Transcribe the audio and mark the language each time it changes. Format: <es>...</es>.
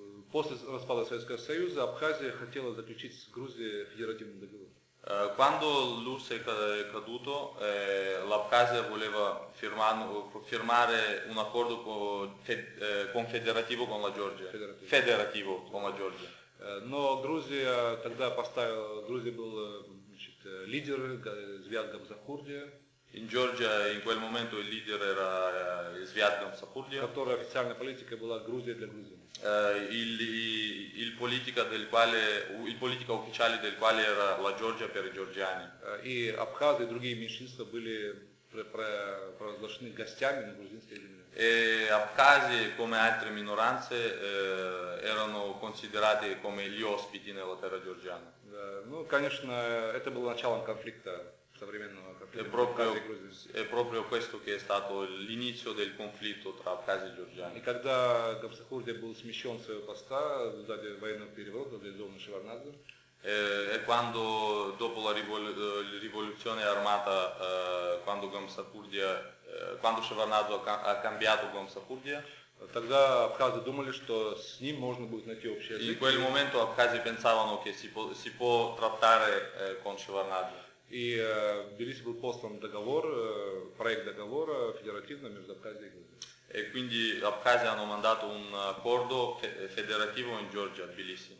<ru>После распада Советского Союза Абхазия хотела заключить с Грузией федеративный договор.</ru> <it>Quando l'URSS è caduto, l'Abkhazia voleva firmare un accordo confederativo con la Georgia. Federativo con la Georgia.</it> <ru>Но Грузия тогда поставила, Грузия был лидер Свят Гамзахурдия.</ru> <it>In Georgia in quel momento il leader era Свят Гамзахурдия.</it> <ru>Которая официальная политика была Грузия для Грузии.</ru> <it>Il politica ufficiale del quale era la Georgia per i georgiani.</it> <ru>И абхазы и другие меньшинства были провозглашены гостями на грузинской земле.</ru> <it>E абхазы, come altre minoranze, erano considerati come gli ospiti nella terra georgiana.</it> <ru>Ну, конечно, это было началом конфликта, современного конфликта Абхазии и Грузии.</ru> <it>E proprio questo che è stato l'inizio del conflitto tra Абхазии и Georgiani.</it> <ru>И когда Гамзахурдия был смещен с своего поста в результате военного переворота, реализованного Шеварднадзе,</ru> <it>E quando dopo la rivoluzione armata, quando Шеварднадзе ha cambiato Гамзахурдия,</it> <ru>тогда абхазы думали, что с ним можно будет найти общий язык.</ru> <it>In quel momento абхазы pensavano che si può trattare con Шеварднадзе.</it> <ru>И в Тбилиси был послан договор, проект договора федеративно между Абхазией и Грузией.</ru> <it>E quindi Абхазия hanno mandato un accordo federativo in Georgia, Тбилиси.</it>